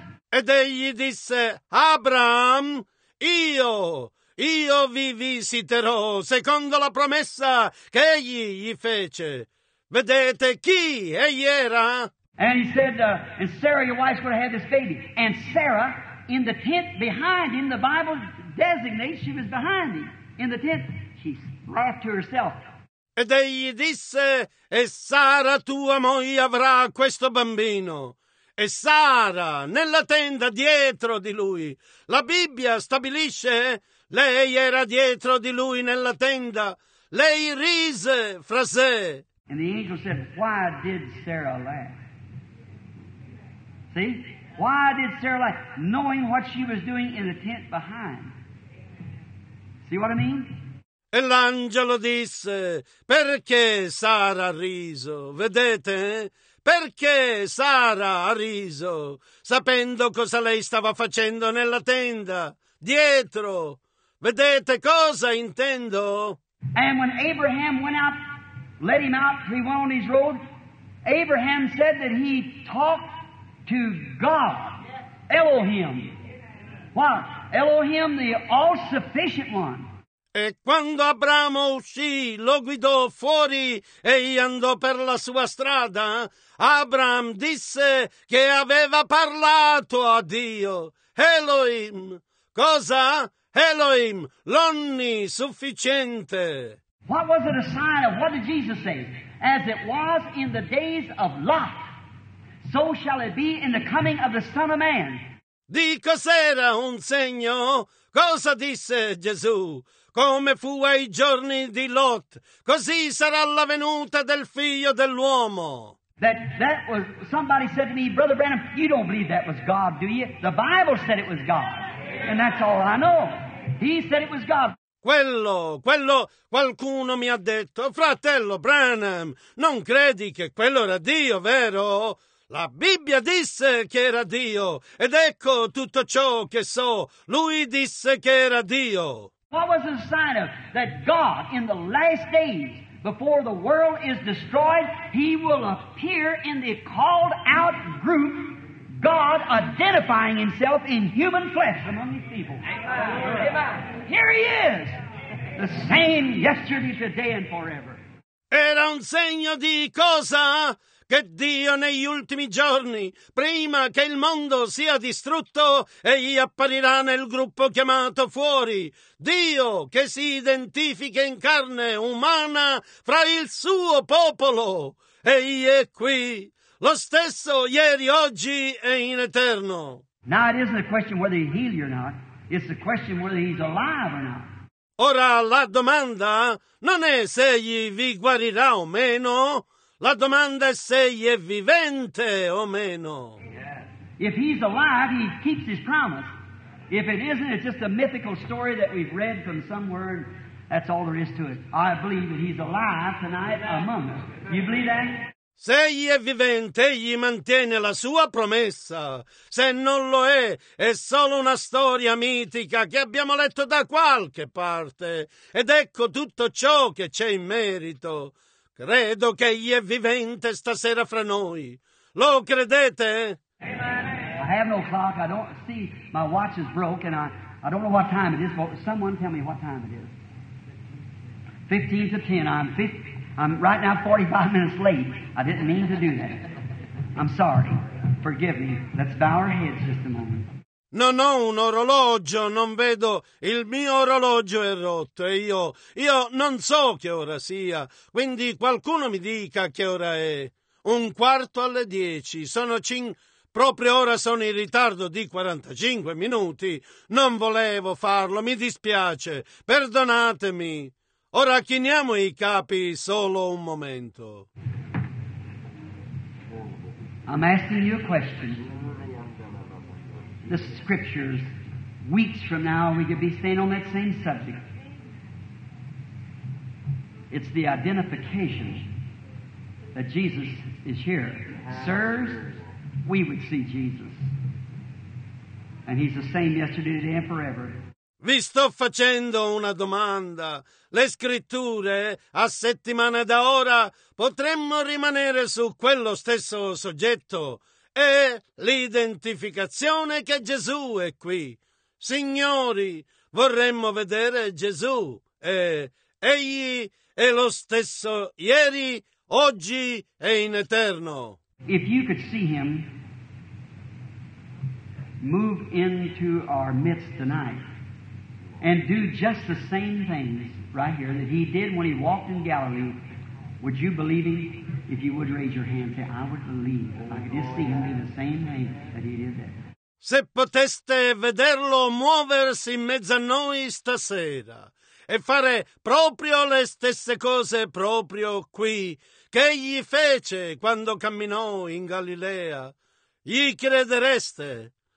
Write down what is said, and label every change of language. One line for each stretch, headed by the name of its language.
Italian: Ed egli disse, Abraham, io vi visiterò secondo la promessa che egli gli fece. Vedete chi egli era?
English: And he said, and Sarah, your wife's going to have this baby. And Sarah, in the tent behind him, the Bible designates she was behind him. In the tent, she laughed to herself.
Italian: Ed egli disse, e Sara tua moglie avrà questo bambino. E Sara, nella tenda dietro di lui. La Bibbia stabilisce, lei era dietro di lui nella tenda. Lei rise fra sé.
English: And the angel said, why did Sarah laugh? See? Why did Sarah laugh? Knowing what she was doing in the tent behind. See what I mean?
Italian: E l'angelo disse, perché Sara ha riso? Vedete? Perché Sara ha riso? Sapendo cosa lei stava facendo nella tenda, dietro. Vedete cosa intendo?
English: And when Abraham went out, let him out, he went on his road, Abraham said that he talked to God, Elohim. What? Elohim, the all-sufficient one.
Italian: E quando Abramo uscì, lo guidò fuori e andò per la sua strada, Abram disse che aveva parlato a Dio. Elohim! Cosa? Elohim, l'onnisufficiente.
English: What was it a sign of? What did Jesus say? As it was in the days of Lot, so shall it be in the coming of the Son of Man.
Italian: Di cos'era un segno? Cosa disse Gesù? Come fu ai giorni di Lot, così sarà la venuta del figlio dell'uomo.
English: That was, somebody said to me, Brother Branham, you don't believe that was God, do you? The Bible said it was God. And that's all I know. He said it was God.
Italian: Quello, qualcuno mi ha detto, fratello Branham, non credi che quello era Dio, vero? La Bibbia disse che era Dio, ed ecco tutto ciò che so, lui disse che era Dio.
English: What was the sign of that God in the last days, before the world is destroyed, he will appear in the called out group, God identifying himself in human flesh among his people. Amen. Here he is, the same yesterday, today, and forever.
Italian: Era un segno di cosa? Che Dio negli ultimi giorni, prima che il mondo sia distrutto, egli apparirà nel gruppo chiamato fuori. Dio che si identifica in carne umana fra il suo popolo. Egli è qui. Lo stesso ieri, oggi e in eterno.
English: Now it isn't a question whether he's healed or not. It's a question whether he's alive or not.
Italian: Ora la domanda non è se egli vi guarirà o meno. La domanda è se egli è vivente o meno.
English: Yeah. If he's alive, he keeps his promise. If it isn't, it's just a mythical story that we've read from somewhere, that's all there is to it. I believe that he's alive tonight among us. You believe that?
Italian: Se egli è vivente, egli mantiene la sua promessa. Se non lo è solo una storia mitica che abbiamo letto da qualche parte. Ed ecco tutto ciò che c'è in merito. Credo che egli è vivente stasera fra noi. Lo credete?
English: I have no clock. I don't see. My watch is broke and I don't know what time it is. But someone tell me what time it is. 9:50. I'm right now 45 minutes late. I didn't mean to do that. I'm sorry. Forgive me. Let's bow our heads just a moment.
Italian: Non ho un orologio, non vedo, il mio orologio è rotto e io non so che ora sia, quindi qualcuno mi dica che ora è. 10:15, proprio ora sono in ritardo di 45 minuti, non volevo farlo, mi dispiace, perdonatemi. Ora chiniamo i capi solo un momento.
English: I'm asking you a question. The scriptures, weeks from now, we could be staying on that same subject. It's the identification that Jesus is here. Sirs, we would see Jesus. And he's the same yesterday, today, and forever.
Italian: Vi sto facendo una domanda. Le scritture, a settimana da ora, potremmo rimanere su quello stesso soggetto. È l'identificazione che Gesù è qui. Signori, vorremmo vedere Gesù e egli è lo stesso ieri, oggi e in eterno.
English: If you could see him move into our midst tonight and do just the same things right here that he did when he walked in Galilee. Would you believe him? If you would raise your hand, say, I would believe. I could just see him do the same thing that he did there.
Italian: Se poteste vederlo muoversi in mezzo a noi stasera e fare proprio le stesse cose proprio qui che egli fece quando camminò in Galilea, gli credereste?